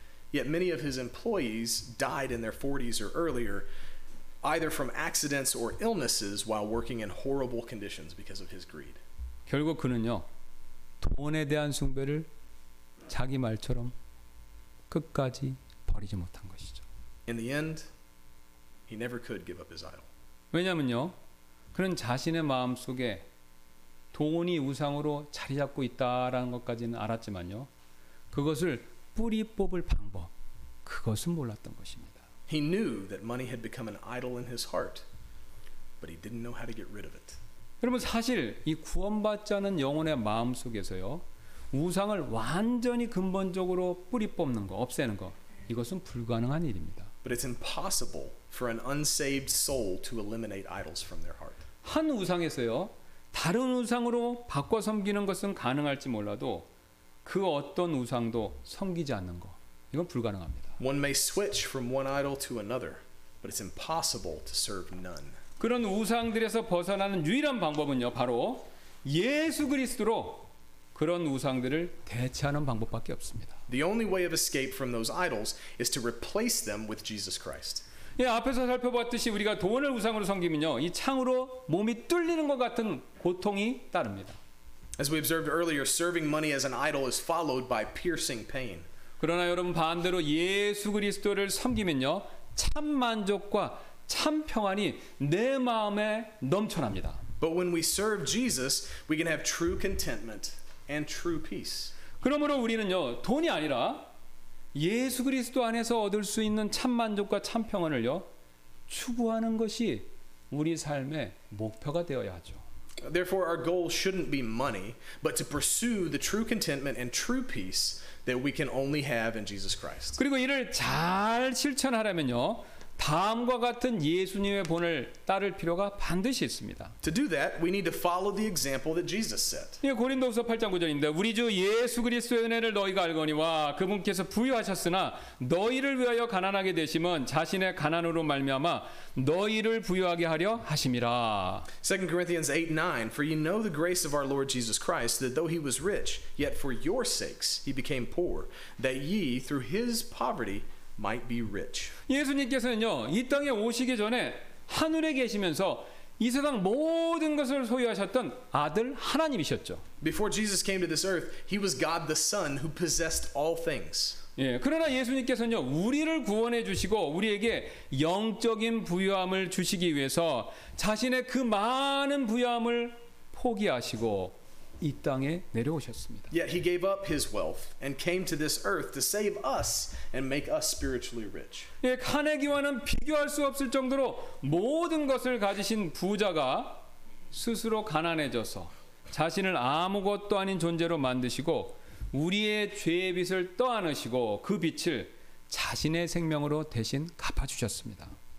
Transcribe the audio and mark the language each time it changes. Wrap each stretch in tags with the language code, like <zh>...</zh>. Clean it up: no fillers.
<en>Yet many of his employees died in their 40s or earlier, either from accidents or illnesses while working in horrible conditions because of his greed.</en> <ko>결국 그는요, 돈에 대한 숭배를 자기 말처럼 끝까지 버리지 못한 것이죠.</ko> <en>In the end, he never could give up his idol.</en> <ko>왜냐면요, 그는 자신의 마음 속에 돈이 우상으로 자리 잡고 있다라는 것까지는 알았지만요, 그것을 뿌리 뽑을 방법, 그것은 몰랐던 것입니다.</ko> <en>He knew that money had become an idol in his heart, but he didn't know how to get rid of it.</en> <ko>여러분 사실 이 구원받지 않은 영혼의 마음 속에서요, 우상을 완전히 근본적으로 뿌리 뽑는 거, 없애는 거, 이것은 불가능한 일입니다.</ko> <en>But it's impossible for an unsaved soul to eliminate idols from their heart.</en> <ko>한 우상에서요. 다른 우상으로 바꿔 섬기는 것은 가능할지 몰라도 그 어떤 우상도 섬기지 않는 거 이건 불가능합니다.</ko> <en>One may switch from one idol to another, but it's impossible to serve none.</en> <ko>그런 우상들에서 벗어나는 유일한 방법은요, 바로 예수 그리스도로 그런 우상들을 대체하는 방법밖에 없습니다.</ko> <en>The only way of escape from those idols is to replace them with Jesus Christ.</en> <ko>예, 앞에서 살펴봤듯이 우리가 돈을 우상으로 섬기면요, 이 창으로 몸이 뚫리는 것 같은 고통이 따릅니다.</ko> <en>As we observed earlier, serving money as an idol is followed by piercing pain.</en> <ko>그러나 여러분 반대로 예수 그리스도를 섬기면요, 참 만족과 참 평안이 내 마음에 넘쳐납니다.</ko> <en>But when we serve Jesus, we can have true contentment and true peace.</en> <ko>그러므로 우리는요, 돈이 아니라 예수 그리스도 안에서 얻을 수 있는 참 만족과 참 평안을요 추구하는 것이 우리 삶의 목표가 되어야 하죠.</ko> <en>Therefore, our goal shouldn't be money, but to pursue the true contentment and true peace that we can only have in Jesus Christ.</en> <ko>그리고 이를 잘 실천하려면요, 다음과 같은 예수님의 본을 따를 필요가 반드시 있습니다.</ko> <en>To do that, we need to follow the example that Jesus set.</en> <ko>고린도후서 8장 9절인데 우리 주 예수 그리스도의 은혜를 너희가 알거니와 그분께서 부유하셨으나 너희를 위하여 가난하게 되심은 자신의 가난으로 말미암아 너희를 부유하게 하려 하심이라.</ko> <en>2 Corinthians 8:9 For you know the grace of our Lord Jesus Christ that though he was rich, yet for your sakes he became poor, that ye through his poverty might be rich.</en> <ko>예수님께서는요, 이 땅에 오시기 전에 하늘에 계시면서 이 세상 모든 것을 소유하셨던 아들 하나님이셨죠.</ko> <en>Before Jesus came to this earth, he was God the Son who possessed all things.</en> <ko>예, 그러나 예수님께서는요, 우리를 구원해 주시고 우리에게 영적인 부유함을 주시기 위해서 자신의 그 많은 부유함을 포기하시고 이 땅에 내려오셨습니다.</ko> <en>Yet he gave up his wealth and came to this earth to save us and make us spiritually rich.</en> <ko>예, 카네기와는 비교할 수 없을 정도로 모든 것을 가지신 부자가 스스로 가난해져서 자신을 아무것도 아닌 존재로 만드시고 우리의 죄의 빚을 떠안으시고 그 빚을 자신의 생명으로 대신 갚아주셨습니다.</ko>